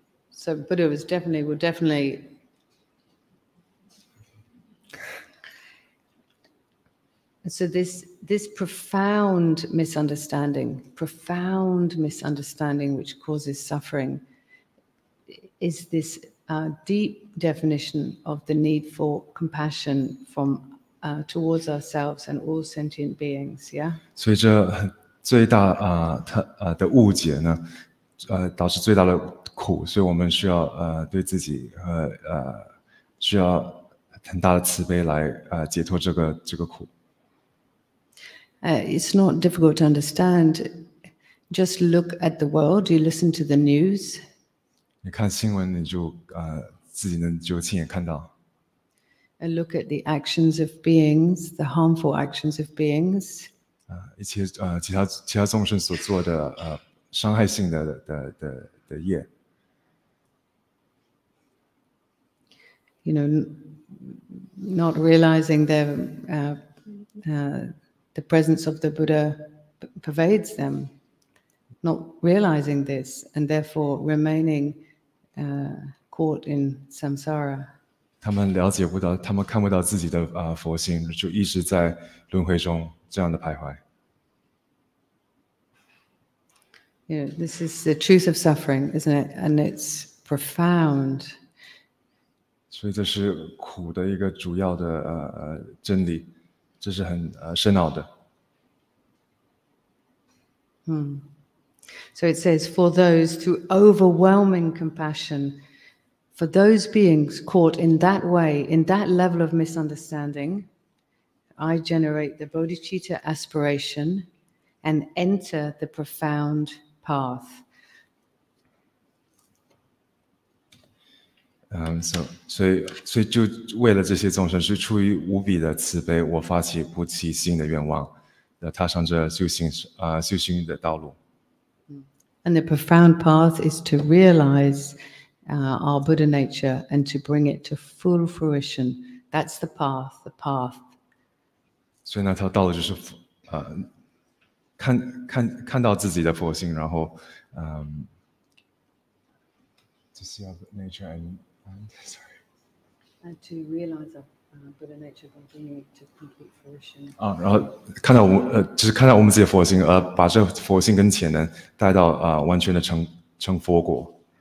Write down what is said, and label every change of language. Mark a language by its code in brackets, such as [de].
[en] So Buddha will definitely So this profound misunderstanding which causes suffering is this deep definition of the need for compassion from towards ourselves and all sentient beings, yeah? [zh] 所以这最大的误解呢导致最大的苦，所以我们需要对自己和需要很大的慈悲来解脱这个苦。 [en] It's not difficult to understand. Just look at the world. You listen to the news. [zh] 你看新闻，你就自己能就亲眼看到。 [en] And look at the actions of beings, the harmful actions of beings. [zh] 一切其他众生所做的伤害性的业。 [en] You know, not realizing the presence of the Buddha pervades them, not realizing this, and therefore remaining caught in samsara. [zh] 他们了解不到，他们看不到自己的佛性，就一直在轮回中这样的徘徊。 [en] You know, this is the truth of suffering, isn't it? And it's profound. [zh] 所以这是苦的一个主要的真理，这是很深奥的。 [en] So it says, for those through overwhelming compassion, for those beings caught in that way, in that level of misunderstanding, I generate the bodhicitta aspiration and enter the profound path. [zh] 所以就为了这些众生，是出于无比的慈悲，我发起菩提心的愿望，踏上这修行的道路。 [en] And the profound path is to realize our Buddha nature and to bring it to full fruition. That's the path. The path. [zh] 所以那条道路就是看到自己的佛性，然后 [en] to see our nature and. And to realize our Buddha nature, bringing it to complete fruition. [zh] 然后看到只是看到我们自己的佛性，把这佛性跟潜能带到完全的成佛果。